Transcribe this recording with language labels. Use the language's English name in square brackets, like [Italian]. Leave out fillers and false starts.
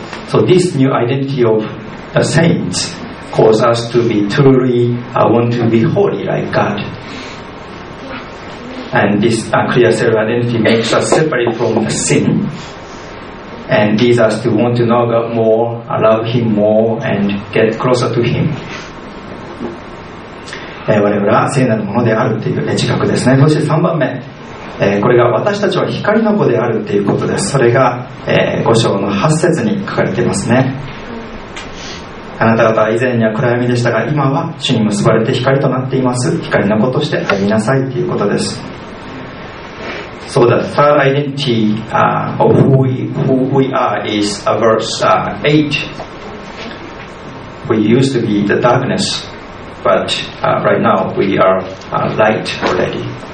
[English] So this new identity of the saints causes us to be truly, want to be holy like God. And this clear self-identity makes us separate from the sin and leads us to want to know God more, love Him more, and get closer to Him. [Japanese] 我々は聖なるものであるという自覚ですね。そして3番目、これが私たちは光の子であるということです。それが、5章の8節に書かれていますね。あなた方は以前には暗闇でしたが、今は主に結ばれて光となっています。光の子として歩みなさいということです。 [English] So the third identity of who we are is verse 8. We used to be the darkness, but right now we are light already.